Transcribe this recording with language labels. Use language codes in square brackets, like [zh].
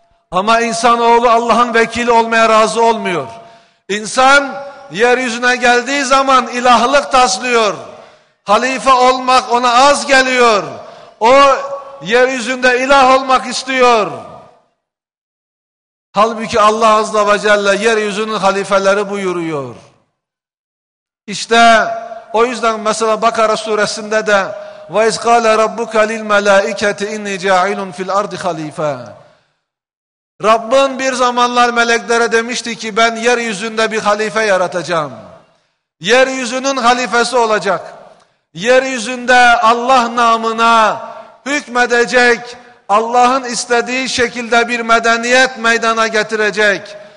[tr] Ama insanoğlu Allah'ın vekili olmaya razı olmuyor. İnsan yeryüzüne geldiği zaman ilahlık taslıyor. Halife olmak ona az geliyor. O yeryüzünde ilah olmak istiyor. Halbuki Allah Azze ve Celle yeryüzünün halifeleri buyuruyor. İşte o yüzden mesela Bakara suresinde de [ar] وَاِذْ قَالَ رَبُّكَ لِلْمَلَائِكَةِ اِنِّي جَاعِلٌ فِي الْاَرْضِ خَلِيفَةً. [tr] Rabbin bir zamanlar meleklere demişti ki ben yeryüzünde bir halife yaratacağım. Yeryüzünün halifesi olacak. Yeryüzünde Allah namına hükmedecek, Allah'ın istediği şekilde bir medeniyet meydana getirecek.